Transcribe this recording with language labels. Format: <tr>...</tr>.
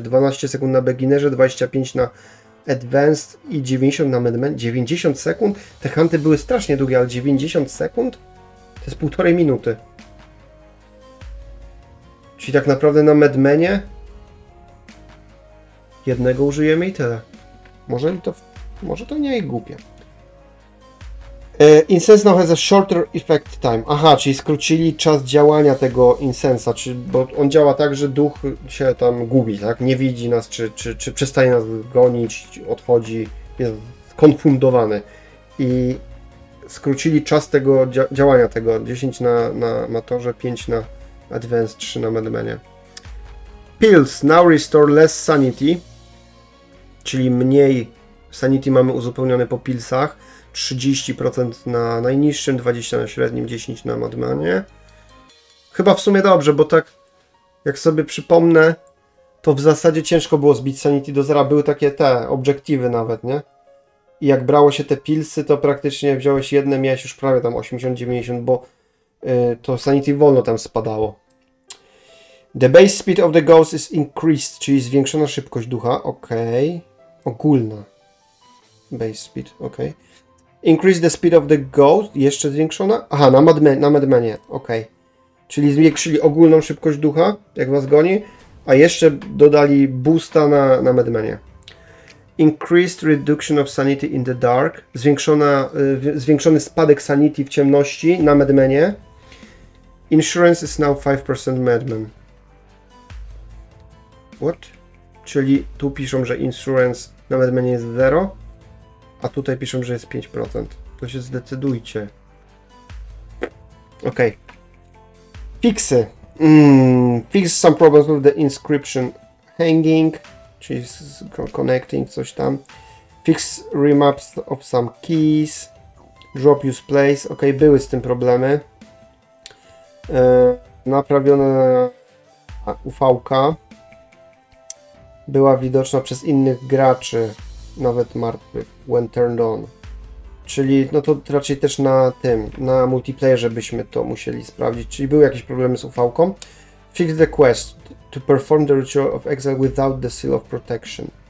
<pl>12 sekund na beginnerze, 25 na advanced i 90 na medmen. 90 sekund? Te hunty były strasznie długie, ale 90 sekund? To jest półtorej minuty. Czyli tak naprawdę na medmenie jednego użyjemy i tyle. Może to nie jest głupie.</pl> <en>Incense now has a shorter effect time.</en> <pl>Aha, czyli skrócili czas działania tego incensa, bo on działa tak, że duch się tam gubi, tak? Nie widzi nas, czy przestaje nas gonić, odchodzi, jest skonfundowany. I skrócili czas tego działania tego. 10 na Matorze, 5 na Advanced, 3 na Medmenie.</pl> <en>Pills now restore less sanity.</en> <pl>Czyli mniej sanity mamy uzupełnione po pilsach. 30% na najniższym, 20% na średnim, 10% na madmanie. Chyba w sumie dobrze, bo tak jak sobie przypomnę, to w zasadzie ciężko było zbić sanity do zera. Były takie te obiektywy nawet, nie? I jak brało się te pilsy, to praktycznie wziąłeś jedne, miałeś już prawie tam 80-90, bo to sanity wolno tam spadało.</pl> <en>The base speed of the ghost is increased,</en> <pl>czyli zwiększona szybkość ducha. Okej. Okay. Ogólna base speed, okej. Okay.</pl> <en>Increase the speed of the ghost.</en> <pl>Jeszcze zwiększona? Aha, na madmenie. Okej. Okay. Czyli zwiększyli ogólną szybkość ducha, jak was goni. A jeszcze dodali boosta na madmenie.</pl> <en>Increased reduction of sanity in the dark.</en> <pl>Zwiększony spadek sanity w ciemności na madmenie.</pl> <en>Insurance is now 5% madmen. What?</en> <pl>Czyli tu piszą, że insurance na madmenie jest 0. A tutaj piszą, że jest 5%. To się zdecydujcie. Ok. Fixy.</pl> <en>Fix some problems with the inscription hanging.</en> <pl>Czyli connecting coś tam.</pl> <en>Fix remaps of some keys. Drop use place.</en> <pl>Ok, były z tym problemy. Naprawione UV-ka. Była widoczna przez innych graczy. Nawet martwy,</pl> <en>when turned on.</en> <pl>Czyli no to raczej też na tym, na multiplayerze byśmy to musieli sprawdzić. Czyli były jakieś problemy z UV-ką.</pl> <en>Fix the quest to perform the ritual of exile without the seal of protection.</en>